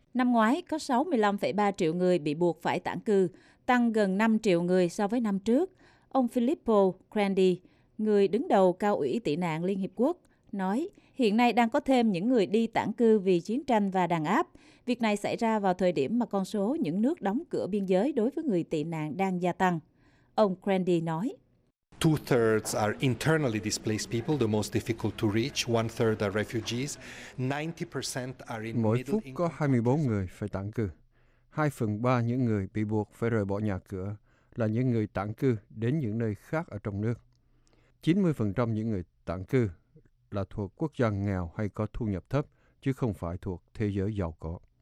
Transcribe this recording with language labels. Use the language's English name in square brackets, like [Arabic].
[Vietnamese] Năm ngoái, có 65,3 triệu người bị buộc phải tản cư, tăng gần 5 triệu người so với năm trước. Ông Filippo Grandi, người đứng đầu Cao ủy Tị nạn Liên Hiệp Quốc, nói hiện nay đang có thêm những người đi tản cư vì chiến tranh và đàn áp. Việc này xảy ra vào thời điểm mà con số những nước đóng cửa biên giới đối với người tị nạn đang gia tăng. Ông Grandi nói, [English] Two-thirds are internally displaced people, the most difficult to reach. One-third are refugees. 90% are in [Vietnamese] Mỗi phút có 24 người phải tản cư. 2/3 những người bị buộc phải rời bỏ nhà cửa là những người tản cư đến những nơi khác ở trong nước. 90% những người tản cư là thuộc quốc gia nghèo hay có thu nhập thấp, chứ không phải thuộc thế giới giàu có.